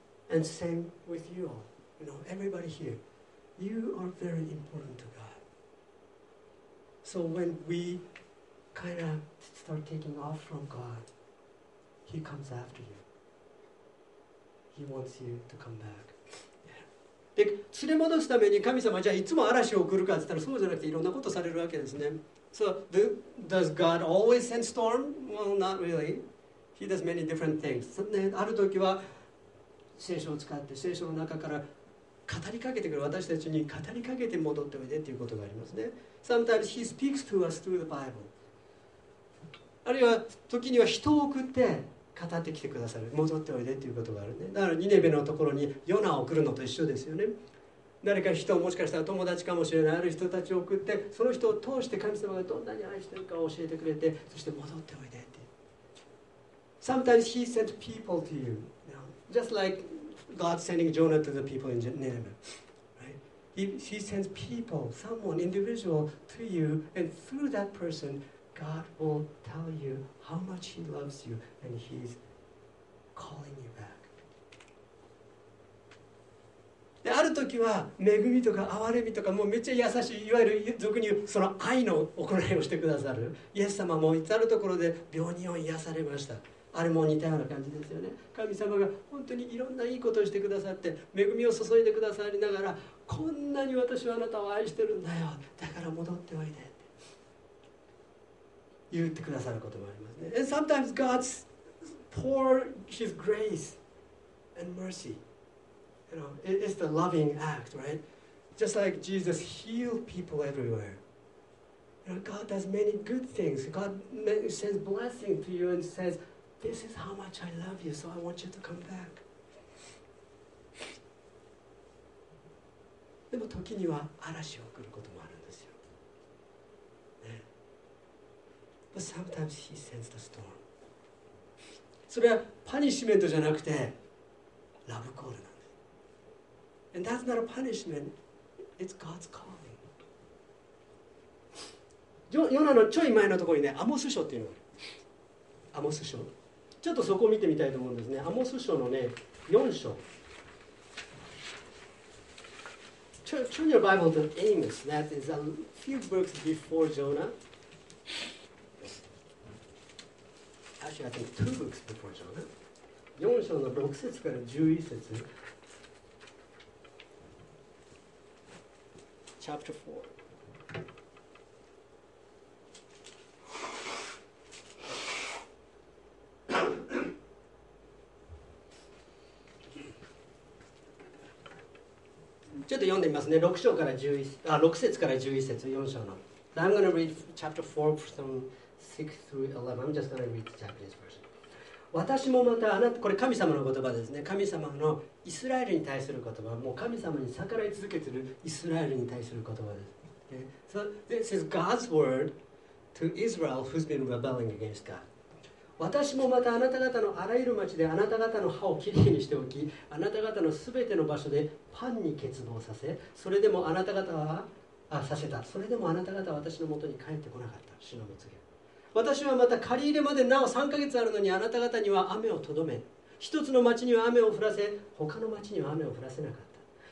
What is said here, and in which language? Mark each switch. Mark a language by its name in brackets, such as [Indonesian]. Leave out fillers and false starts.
[English] And same with you all, you know, everybody here. You are very important to God. So when we kind of start taking off from God, He comes after you. He wants you to come back. [Japanese] で、連れ戻すために神様はじゃあいつも嵐を送るかって言ったら、そうじゃなくていろんなことされるわけですね。 [English] So, does God always send storm? Well, not really. He does many different things. [Japanese] ある時は聖書を使って聖書の中から語りかけてくる、私たちに語りかけて戻っておいでということがありますね。 [English] Sometimes he speaks to us through the Bible. [Japanese] あるいは時には人を送って語ってきてくださる、戻っておいでということがあるね。だからニネベのところにヨナを送るのと一緒ですよね。誰か人、もしかしたら友達かもしれない、ある人たちを送って、その人を通して神様がどんなに愛しているかを教えてくれて、そして戻っておいでって。 [English] Sometimes he sent people to you, you know, just like God sending Jonah to the people in Nineveh, right? He sends people, someone, individual to you, and through that personGod will tell you how much He loves you and He's calling you back. [Japanese] で、ある時は恵みとか憐れみとか、もうめっちゃ優しい、いわゆる俗に言うその愛の行いをしてくださる。イエス様も至るところで病人を癒されました。あれも似たような感じですよね。神様が本当にいろんないいことをしてくださって、恵みを注いでくださりながら、こんなに私はあなたを愛してるんだよ、だから戻っておいで。言ってくださることもありますね。 [English] And sometimes God pours His grace and mercy. You know, it's the loving act, right? Just like Jesus healed people everywhere. You know, God does many good things. God sends blessing to you and says, "This is how much I love you, so I want you to come back." [Japanese] でも時には嵐を送ることもある。 [English] But sometimes he sends the storm. [Japanese] それはパニッシュメントじゃなくてラブコールなんです。 [English] And that's not a punishment. It's God's calling. [Japanese] ヨナのちょい前のところにね、アモス書っていうのがある。アモス書、ちょっとそこを見てみたいと思うんですね。アモス書のね、4章。 [English] Turn your Bible to Amos. That is a few books before Jonah. Actually, I think two books before John. [Japanese] 4章の6節から11節。 [English] Chapter 4. [Japanese] ちょっと読んでみますね。 6章から11、6節から11節、4章の。 [English] So、I'm going to read chapter 4 from 6 through 11. I'm just going to read the Japanese version. [Japanese] 私もまたあなた、これ神様の言葉ですね。神様のイスラエルに対する言葉、もう神様に逆らい続けているイスラエルに対する言葉です。 [English] Okay. So this is God's word to Israel who's been rebelling against God. [Japanese] 私もまたあなた方のあらゆる町であなた方の歯をきれいにしておき、あなた方のすべての場所でパンに欠乏させ、それでもあなた方は、させた。それでもあなた方は私のもとに帰ってこなかった。主の御告げ。私はまた借り入れまでなお3ヶ月あるのにあなた方には雨をとどめ、一つの町には雨を降らせ、他の町には雨を降らせなかった。